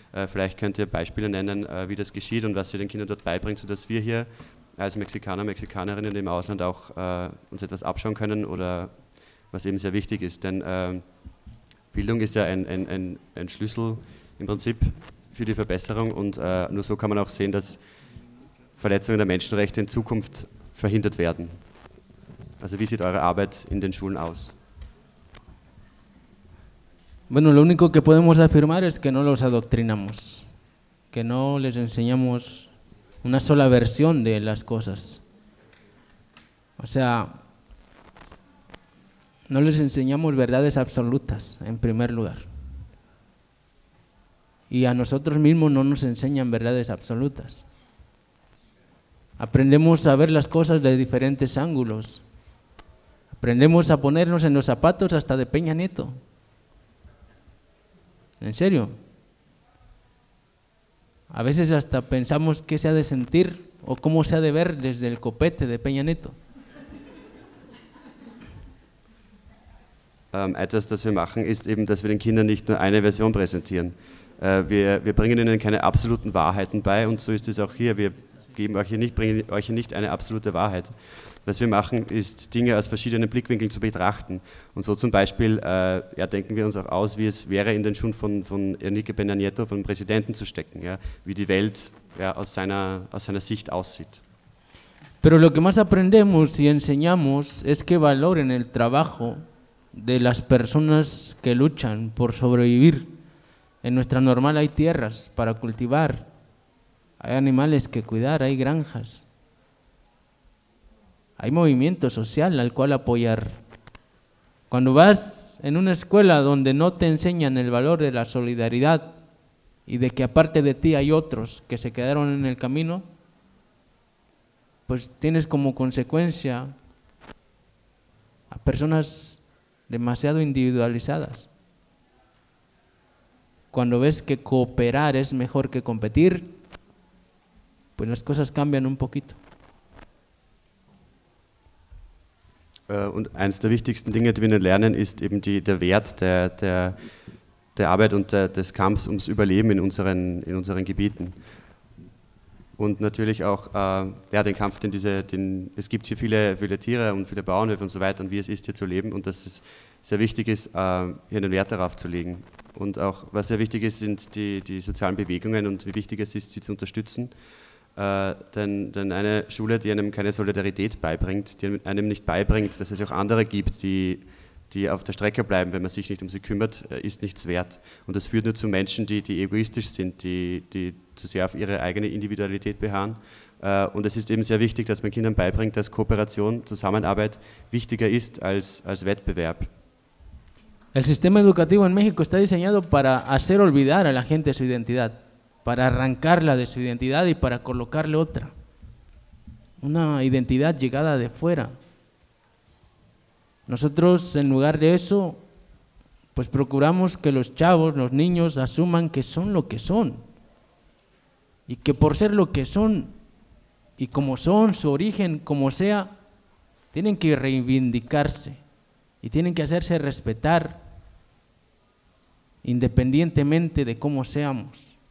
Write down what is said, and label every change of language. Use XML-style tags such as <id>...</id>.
<de>Vielleicht könnt ihr Beispiele nennen, wie das geschieht und was ihr den Kindern dort beibringt, sodass wir hier als Mexikaner, Mexikanerinnen im Ausland auch uns etwas abschauen können oder was eben sehr wichtig ist, denn Bildung ist ja ein Schlüssel im Prinzip für die Verbesserung und nur so kann man auch sehen, dass Verletzungen der Menschenrechte in Zukunft verhindert werden. Also wie sieht eure Arbeit in den Schulen aus?</de> <es>Bueno, lo único que podemos afirmar es que no los adoctrinamos, que no les enseñamos una sola versión de las cosas. O sea, no les enseñamos verdades absolutas, en primer lugar. Y a nosotros mismos no nos enseñan verdades absolutas. Aprendemos a ver las cosas de diferentes ángulos. Aprendemos a ponernos en los zapatos hasta de Peña Nieto. ¿En serio? A veces hasta pensamos qué se ha de sentir o cómo se ha de ver desde el copete de Peña Nieto.</es> <de>Etwas, das wir machen, ist eben, dass wir den Kindern nicht nur eine Version präsentieren. Wir bringen ihnen keine absoluten Wahrheiten bei und so ist es auch hier. Wir geben euch hier nicht, bringen euch hier nicht eine absolute Wahrheit. Was wir machen, ist, Dinge aus verschiedenen Blickwinkeln zu betrachten. Und so zum Beispiel denken wir uns auch aus, wie es wäre, in den Schuhen von Enrique Peña Nieto, vom Präsidenten, zu stecken. Ja? Wie die Welt aus seiner Sicht aussieht.</de> <es>Pero lo que más aprendemos y enseñamos es que valoren el trabajo de las personas que luchan por sobrevivir. En nuestra normal hay tierras para cultivar, hay animales que cuidar, hay granjas. Hay movimiento social al cual apoyar. Cuando vas en una escuela donde no te enseñan el valor de la solidaridad y de que aparte de ti hay otros que se quedaron en el camino, pues tienes como consecuencia a personas demasiado individualizadas. Cuando ves que cooperar es mejor que competir, pues las cosas cambian un poquito.</es> <de>Und eines der wichtigsten Dinge, die wir lernen, ist eben der Wert der Arbeit und des Kampfs ums Überleben in unseren Gebieten. Und natürlich auch den Kampf, es gibt hier viele Tiere und viele Bauernhöfe und so weiter, und wie es ist, hier zu leben, und dass es sehr wichtig ist, hier einen Wert darauf zu legen. Und auch, was sehr wichtig ist, sind die sozialen Bewegungen und wie wichtig es ist, sie zu unterstützen. Denn eine Schule, die einem keine Solidarität beibringt, die einem nicht beibringt, dass es auch andere gibt, die auf der Strecke bleiben, wenn man sich nicht um sie kümmert, ist nichts wert. Und das führt nur zu Menschen, die egoistisch sind, die zu sehr auf ihre eigene Individualität beharren. Und es ist eben sehr wichtig, dass man Kindern beibringt, dass Kooperation, Zusammenarbeit wichtiger ist als Wettbewerb.</de> <es>El sistema educativo en México está diseñado para hacer olvidar a la gente su identidad, para arrancarla de su identidad y para colocarle otra, una identidad llegada de fuera. Nosotros, en lugar de eso, pues procuramos que los chavos, los niños, asuman que son lo que son y que por ser lo que son y como son, su origen, como sea, tienen que reivindicarse y tienen que hacerse respetar independientemente de cómo seamos.</es>